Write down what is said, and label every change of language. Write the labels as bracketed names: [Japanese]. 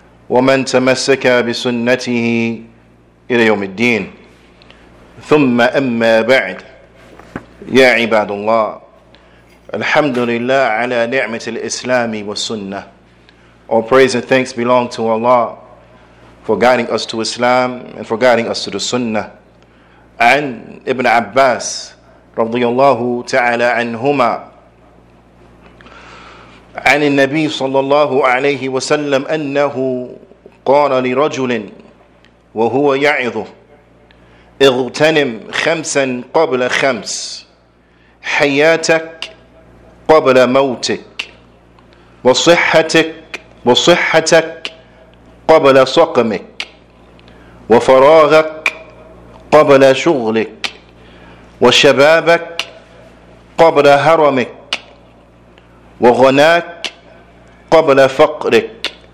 [Arabic] ومن تمسك بسنته إلى يوم الدين ثم أما بعد يا عباد الله الحمد لله على نعمة الإسلام والسنة. [English] All praise and thanks belong to Allah for guiding us to Islam and for guiding us to the Sunnah. [Arabic] عن ابن عباس رضي الله تعالى عنهما عن النبي صلى الله عليه وسلم أنه قال لرجل وهو يعظه اغتنم خمسا قبل خمس حياتك قبل موتك وصحتك قبل سقمك وفراغك قبل شغلك وشبابك قبل هرمك وغناك قبل فقرك.